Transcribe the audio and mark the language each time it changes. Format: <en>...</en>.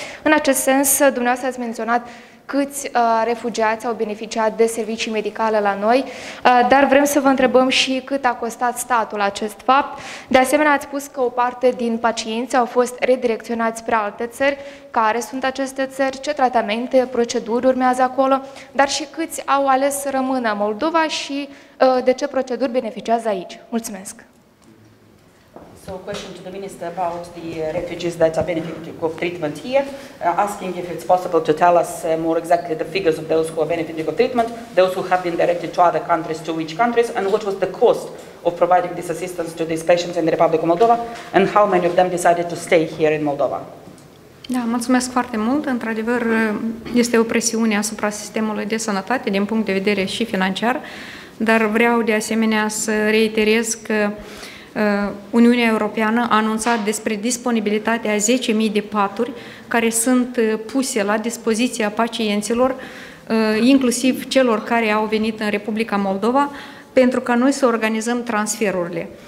<ro>În acest sens, dumneavoastră ați menționat câți refugiați au beneficiat de servicii medicale la noi, dar vrem să vă întrebăm și cât a costat statul acest fapt. De asemenea, ați spus că o parte din pacienți au fost redirecționați spre alte țări. Care sunt aceste țări, ce tratamente, proceduri urmează acolo, dar și câți au ales să rămână în Moldova și de ce proceduri beneficiază aici. Mulțumesc!</ro> <en>So a question to the minister about the refugees that are benefiting of treatment here, asking if it's possible to tell us more exactly the figures of those who are benefiting of treatment, those who have been directed to other countries, to which countries, and what was the cost of providing this assistance to these patients in the Republic of Moldova, and how many of them decided to stay here in Moldova.</en> <ro>Da, mulțumesc foarte mult. Într-adevăr, este o presiune asupra sistemului de sănătate din punct de vedere și financiar, dar vreau de asemenea să reiterez că Uniunea Europeană a anunțat despre disponibilitatea 10.000 de paturi care sunt puse la dispoziția pacienților, inclusiv celor care au venit în Republica Moldova, pentru ca noi să organizăm transferurile.</ro>